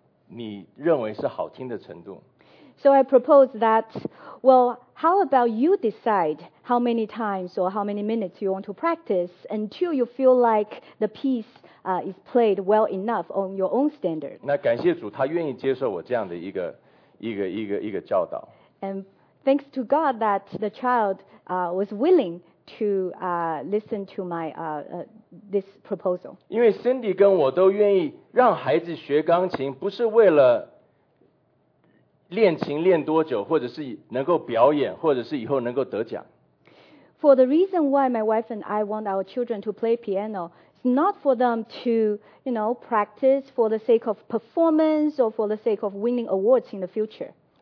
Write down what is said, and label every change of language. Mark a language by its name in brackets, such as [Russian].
[Chinese] 我说这样好不好？你练琴的时候呢，你要练几遍你自己选择，但是你要练到你自己认为这首歌是已经练到你认为是好听的程度。 [English] So I propose that, well, how about you decide how many times or how many minutes you want to practice until you feel like the piece is played well enough on your own standard. [Chinese] 那感谢主，他愿意接受我这样的一个教导。 [English] And thanks to God that the child was willing to listen to my this proposal. [Chinese] 因为 Cindy 跟我都愿意让孩子学钢琴，不是为了 练琴练多久，或者是能够表演，或者是以后能够得奖。 [English] For the reason why my wife and I want our children to play piano, it's not for them to, you know, practice for the sake of performance or for the sake of winning awards in the future.